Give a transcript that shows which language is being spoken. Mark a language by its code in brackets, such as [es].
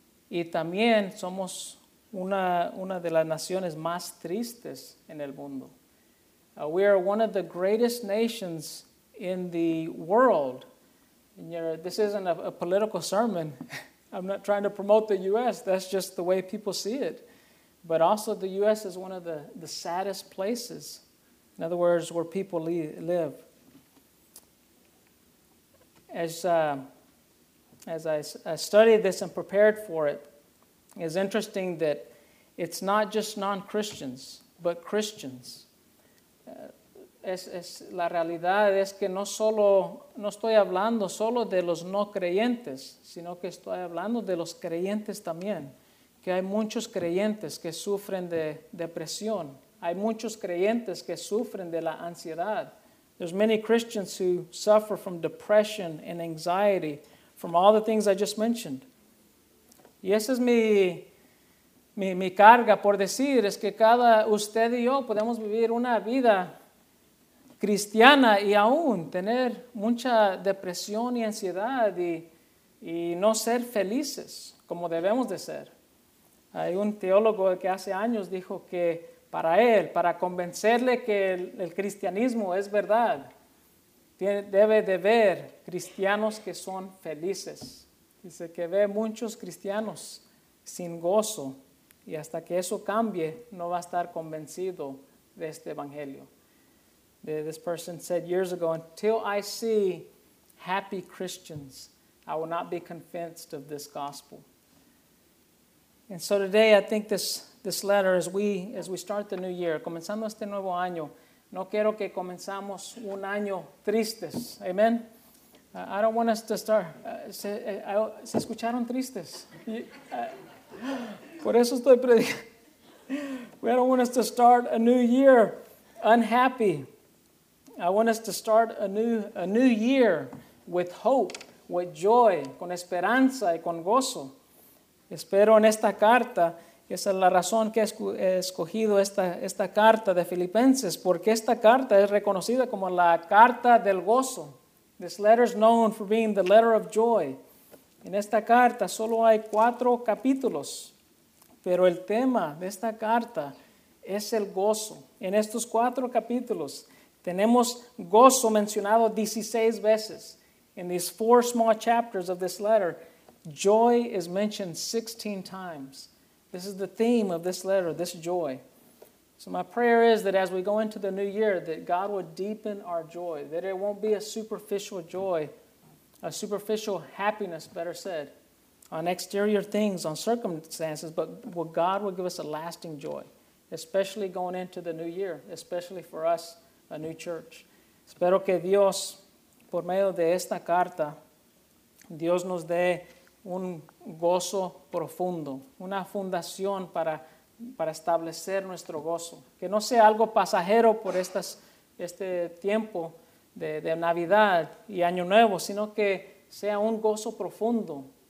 [es] Y también somos una de las naciones más tristes en el mundo. [en] We are one of the greatest nations in the world. This isn't a political sermon. I'm not trying to promote the U.S. That's just the way people see it. But also the U.S. is one of the saddest places. In other words, where people live. As I studied this and prepared for it, it's interesting that it's not just non-Christians, but Christians. [es] La realidad es que no estoy hablando solo de los no creyentes, sino que estoy hablando de los creyentes también, que hay muchos creyentes que sufren de depresión. Hay muchos creyentes que sufren de la ansiedad. [en] There's many Christians who suffer from depression and anxiety from all the things I just mentioned. [es] Y esa es mi carga por decir, es que cada usted y yo podemos vivir una vida cristiana y aún tener mucha depresión y ansiedad y no ser felices como debemos de ser. Hay un teólogo que hace años dijo que para él, para convencerle que el cristianismo es verdad, debe de ver cristianos que son felices. Dice que ve muchos cristianos sin gozo y hasta que eso cambie, no va a estar convencido de este evangelio. [en] This person said years ago, until I see happy Christians, I will not be convinced of this gospel. And so today, I think this letter, as we start the new year, [es] comenzando este nuevo año, no quiero que comenzamos un año tristes. [en] Amen? I don't want us to start. [es] ¿Se escucharon tristes? Por eso estoy predicando. [en] We don't want us to start a new year unhappy. I want us to start a new year with hope, with joy, [es] con esperanza y con gozo. Espero en esta carta, esa es la razón que he escogido esta carta de Filipenses, porque esta carta es reconocida como la carta del gozo. [en] This letter is known for being the letter of joy. [es] En esta carta solo hay 4 capítulos, pero el tema de esta carta es el gozo. En estos 4 capítulos tenemos gozo mencionado 16 veces. [en] In these 4 small chapters of this letter, joy is mentioned 16 times. This is the theme of this letter, this joy. So my prayer is that as we go into the new year, that God would deepen our joy, that it won't be a superficial joy, a superficial happiness, better said, on exterior things, on circumstances, but what God will give us a lasting joy, especially going into the new year, especially for us, a new church. [es] Espero que Dios, por medio de esta carta, Dios nos dé un gozo profundo, una fundación para establecer nuestro gozo. Que no sea algo pasajero por este tiempo de Navidad y Año Nuevo, sino que sea un gozo profundo.